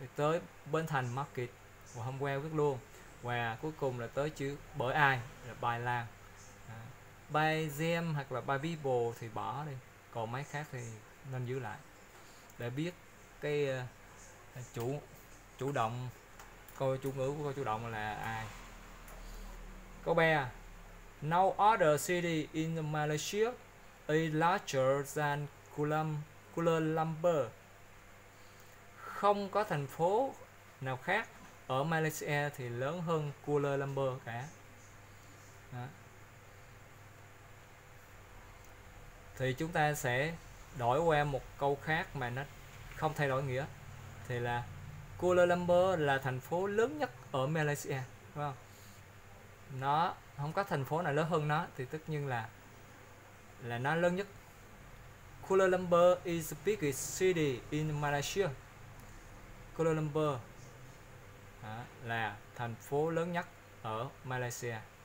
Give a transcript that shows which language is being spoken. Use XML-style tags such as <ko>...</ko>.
<vi>Tới Bến Thành Market và hôm qua viết luôn. Và cuối cùng là tới chữ bởi ai? Là</vi> <en>by Lan. By them</en> <vi>hoặc là</vi> <en>by people</en> <vi>thì bỏ đi. Còn mấy khác thì nên giữ lại. Để biết cái chủ động, câu chủ ngữ của câu chủ động là ai. Câu 3.</vi> <en>No other city in Malaysia is larger than Kuala Lumpur.</en> <vi>Không có thành phố nào khác ở Malaysia thì lớn hơn Kuala Lumpur cả. Đó. Thì chúng ta sẽ đổi qua một câu khác mà nó không thay đổi nghĩa. Thì là Kuala Lumpur là thành phố lớn nhất ở Malaysia, đúng không? Nó không có thành phố nào lớn hơn nó thì tất nhiên là nó lớn nhất.</vi> <en>Kuala Lumpur is the biggest city in Malaysia.</en> <vi>Kuala Lumpur là thành phố lớn nhất ở Malaysia.</vi>